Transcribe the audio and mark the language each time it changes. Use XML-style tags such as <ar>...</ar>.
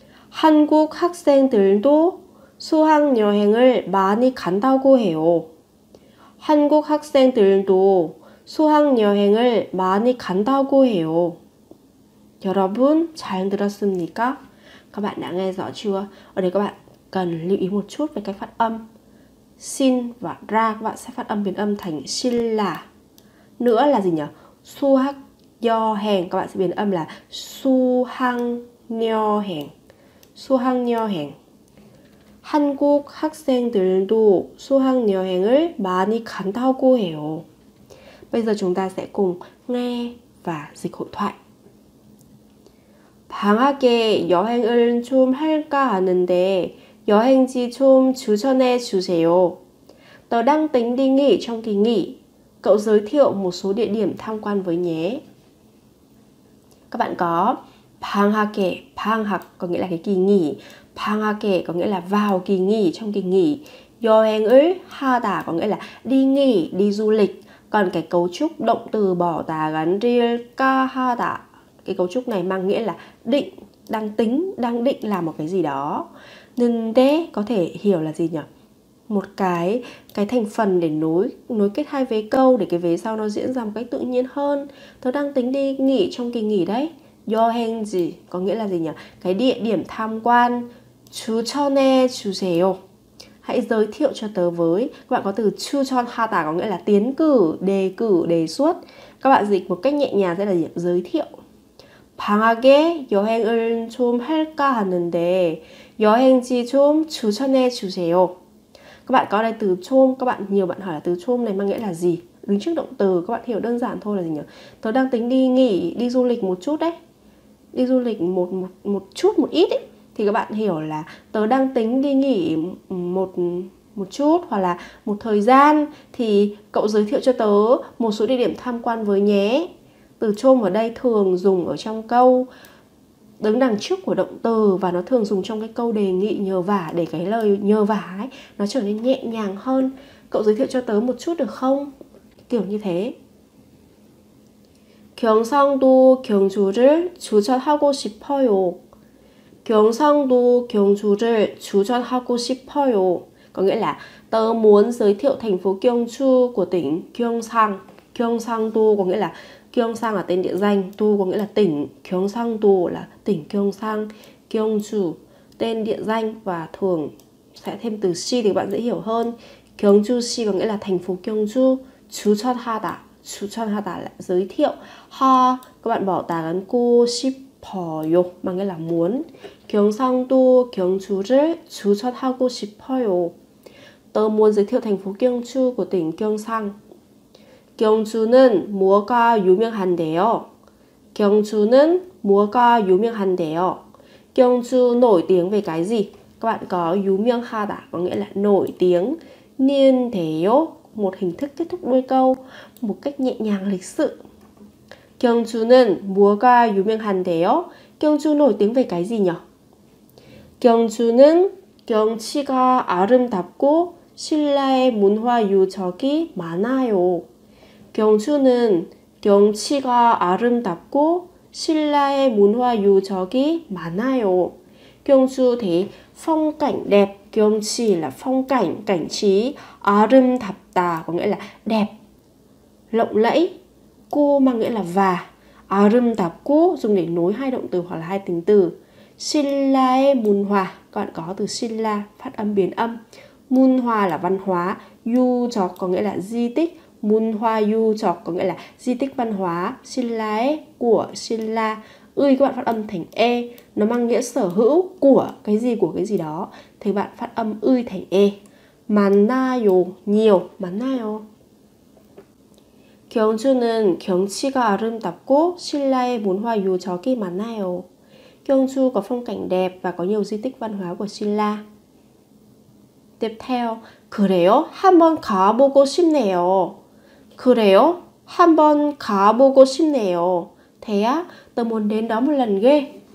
<ko>한국 학생들도 수학 여행을 많이 간다고 해요. 한국 학생들도 수학 여행을 많이 간다고 해요. 여러분 잘 들었습니까?</ko> <vi>Các bạn đã nghe rõ chưa? Ở đây các bạn cần lưu ý một chút về cách phát âm xin và ra. Các bạn sẽ phát âm biến âm thành xin là. Nữa là gì nhỉ? Su hắc nho hèn. Các bạn sẽ biến âm là su hăng nho hèn. Su hăng nho hèn. Hàn Quốc học sinh đều đủ su hăng nho hèn ấy mà đi khẳng thao cô hiểu. Bây giờ chúng ta sẽ cùng nghe và dịch hội thoại.</vi> <ko>방학에 여행을 좀 할까 하는데 여행지 좀 추천해 주세요.</ko> <vi>Tớ đang tính đi nghỉ trong kỳ nghỉ. Cậu giới thiệu một số địa điểm tham quan với nhé. Các bạn có 방학에, 방학 có nghĩa là cái kỳ nghỉ. 방학에 có nghĩa là vào kỳ nghỉ, trong kỳ nghỉ. 여행을 하다 có nghĩa là đi nghỉ, đi du lịch. Còn cái cấu trúc động từ bỏ tà gắn 를까 하다, cái cấu trúc này mang nghĩa là định, đang tính, đang định làm một cái gì đó. 는데 có thể hiểu là gì nhỉ? Một cái thành phần để nối kết hai vế câu để cái vế sau nó diễn ra một cách tự nhiên hơn. Tớ đang tính đi nghỉ trong kỳ nghỉ đấy. 여행지 có nghĩa là gì nhỉ? Cái địa điểm tham quan.</vi> <ko>추천해 주세요.</ko> <vi>Hãy giới thiệu cho tớ với. Các bạn có từ 추천하다 có nghĩa là tiến cử, đề xuất. Các bạn dịch một cách nhẹ nhàng sẽ là gì? Giới thiệu.</vi> <ko>방학에 여행을 좀 할까 하는데 여행지 좀 추천해 주세요.</ko> <vi>Các bạn có đây từ 좀, các bạn nhiều bạn hỏi là từ 좀 này mang nghĩa là gì? Đứng trước động từ, các bạn hiểu đơn giản thôi là gì nhỉ? Tớ đang tính đi nghỉ, đi du lịch một chút đấy. Đi du lịch một chút ấy, thì các bạn hiểu là tớ đang tính đi nghỉ một chút hoặc là một thời gian, thì cậu giới thiệu cho tớ một số địa điểm tham quan với nhé. Từ chôm ở đây thường dùng ở trong câu đứng đằng trước của động từ và nó thường dùng trong cái câu đề nghị nhờ vả để cái lời nhờ vả ấy nó trở nên nhẹ nhàng hơn. Cậu giới thiệu cho tớ một chút được không? Kiểu như thế.</vi> <ko>경상도 경주를 추천하고 싶어요. 경상도 경주를 추천하고 싶어요.</ko> <vi>Có nghĩa là tớ muốn giới thiệu thành phố Gyeongju của tỉnh Gyeongsang. Gyeongsang-do có nghĩa là Gyeongsang là tên địa danh, do có nghĩa là tỉnh, Gyeongsang-do là tỉnh Gyeongsang, Gyeongju tên địa danh và thường sẽ thêm từ si thì các bạn dễ hiểu hơn. Gyeongju-si có nghĩa là thành phố Gyeongju. 추천하다, 추천하다 là giới thiệu. Ha, các bạn bỏ tà gắn 고 싶어요 mà nghĩa là muốn. Gyeongsang-do 경주를 추천하고 싶어요. Tớ muốn giới thiệu thành phố Gyeongju của tỉnh Gyeongsang.</vi> <ko>경주는 뭐가 유명한데요? 경주는 뭐가 유명한데요?</ko> <vi>경주 nổi tiếng về cái gì? Các bạn có 유명하다 có nghĩa là nổi tiếng. 는데요 một hình thức kết thúc đuôi câu một cách nhẹ nhàng lịch sự.</vi> <ko>경주는 뭐가 유명한데요?</ko> <vi>경주 nổi tiếng về cái gì nhỉ?</vi> <ko>경주는 경치가 아름답고 신라의 문화 유적이 많아요. 경주는 경치가 아름답고 신라의 문화 유적이 많아요.</ko> <vi>경주 thì phong cảnh đẹp, 경치 là phong cảnh, cảnh trí, 아름답다 có nghĩa là đẹp, lộng lẫy, 고 mang nghĩa là và, 아름답고 dùng để nối hai động từ hoặc là hai tính từ. 신라의 문화, các bạn có từ 신라 phát âm biến âm. 문화 là văn hóa, 유적 có nghĩa là di tích. 문화 유적 có nghĩa là di tích văn hóa. 신라의 của 신라. 의 các bạn phát âm thành e, nó mang nghĩa sở hữu của cái gì đó. Thì bạn phát âm 의 thành e.</vi> <ko>만나요</ko> <vi>nhiều,</vi> <ko>만나요. 경주는 경치가 아름답고 신라의 문화 유적이 많아요.</ko> <vi>경주 có phong cảnh đẹp và có nhiều di tích văn hóa của 신라. Tiếp theo,</vi> <ko>그래요? 한번 가보고 싶네요. 그래요? 한번 가보고 싶네요.</ko> <vi>Thế á, tớ muốn đến đó một lần ghê.</vi>